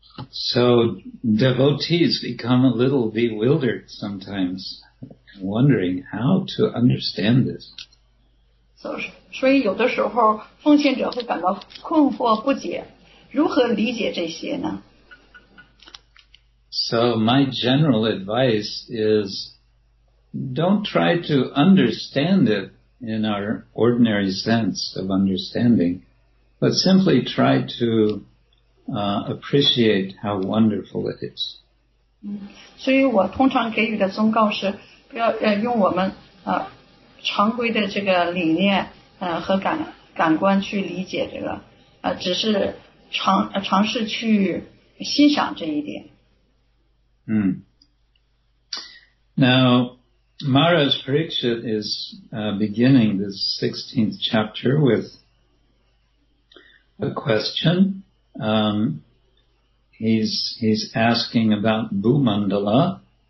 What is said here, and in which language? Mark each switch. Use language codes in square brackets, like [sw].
[en] So devotees become a little bewildered sometimes, wondering how to understand this. [zh] 所以有的时候奉献者会感到困惑不解，如何理解这些呢？ [en] So my general advice is don't try to understand it in our ordinary sense of understanding, but simply try to appreciate how wonderful it is. [zh] 所以我通常给予的忠告是不要用我们常规的这个理念和感官去理解这个只是尝试去欣赏这一点。 [en] Now, Maharaj Parikshit is beginning this 16th chapter with a question. He's asking about Bhumandala.